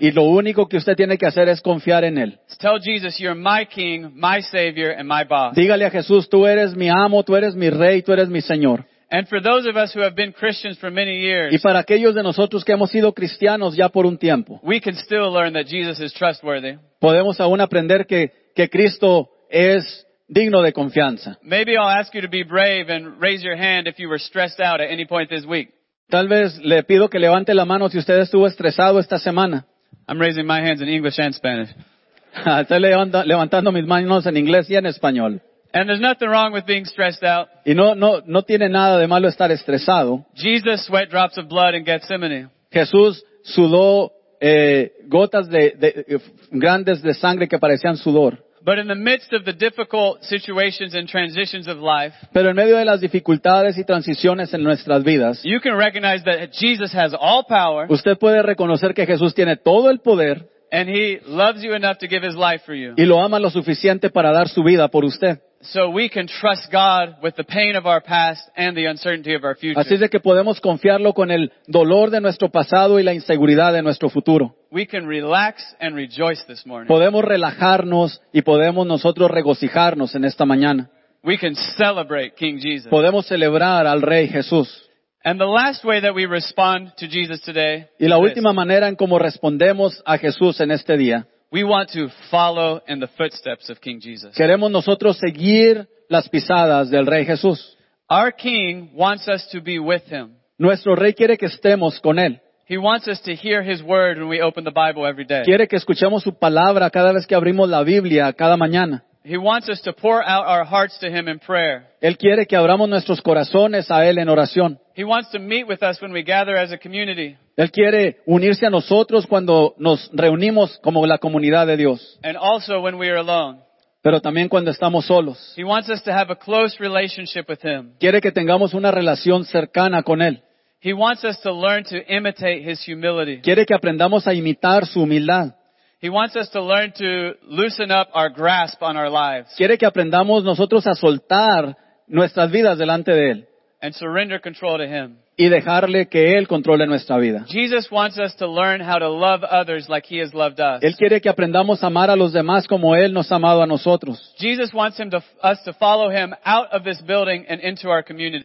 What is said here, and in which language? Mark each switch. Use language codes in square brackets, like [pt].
[es] Y lo único que usted tiene que hacer es confiar en él. [en] Tell Jesus, you're my king, my savior, and my boss. [es] Dígale a Jesús, tú eres mi amo, tú eres mi rey, tú eres mi señor. [en] And for those of us who have been Christians for many years, [es] y para aquellos de nosotros que hemos sido cristianos ya por un tiempo, [en] we can still learn that Jesus is trustworthy. [es] Podemos aún aprender que Cristo es digno de confianza. [en] Maybe I'll ask you to be brave and raise your hand if you were stressed out at any point this week. [es] Tal vez le pido que levante la mano si usted estuvo estresado esta semana. [en] I'm raising my hands in English and Spanish. [es] Estoy levantando mis manos en inglés y en español. [en] And there's nothing wrong with being stressed out. [es] Y no tiene nada de malo estar estresado. [en] Jesus sweat drops of blood in Gethsemane. [es] Jesús sudó gotas de grandes de sangre que parecían sudor. [en] But in the midst of the difficult situations and transitions of life, [es] pero en medio de las dificultades y transiciones en nuestras vidas, [en] you can recognize that Jesus has all power. [es] Usted puede reconocer que Jesús tiene todo el poder. [en] And he loves you enough to give his life for you. [es] Y lo ama lo suficiente para dar su vida por usted. [en] So we can trust God with the pain of our past and the uncertainty of our future. [es] Así es de que podemos confiarlo con el dolor de nuestro pasado y la inseguridad de nuestro futuro. [en] We can relax and rejoice this morning. [es] Podemos relajarnos y podemos nosotros regocijarnos en esta mañana. [en] We can celebrate King Jesus. [es] Podemos celebrar al Rey Jesús. [en] And the last way that we respond to Jesus today. [es] Y la última manera en cómo respondemos a Jesús en este día. [en] We want to follow in the footsteps of King Jesus. [es] Queremos nosotros seguir las pisadas del Rey Jesús. [en] Our King wants us to be with him. [es] Nuestro Rey quiere que estemos con él. [en] He wants us to hear his word when we open the Bible every day. [es] Quiere que escuchemos su palabra cada vez que abrimos la Biblia cada mañana. [en] He wants us to pour out our hearts to him in prayer. [es] Él quiere que abramos nuestros corazones a él en oración. [en] He wants to meet with us when we gather as a community. [es] Él quiere unirse a nosotros cuando nos reunimos como la comunidad de Dios. [en] And also when we are alone. [es] Pero también cuando estamos solos. [en] He wants us to have a close relationship with him. [es] Quiere que tengamos una relación cercana con él. [en] He wants us to learn to imitate his humility. [es] Quiere que aprendamos a imitar su humildad. [en] He wants us to learn to loosen up our grasp on our lives. [es] Quiere que aprendamos nosotros a soltar nuestras vidas delante de él. [en] And surrender control to him. [es] Y dejarle que él controle nuestra vida. [en] Jesus wants us to learn how to love others like he has loved us. [es] Él quiere que aprendamos a amar a los demás como él nos ha amado a nosotros. [en] Jesus wants us to follow him out of this building and into our community.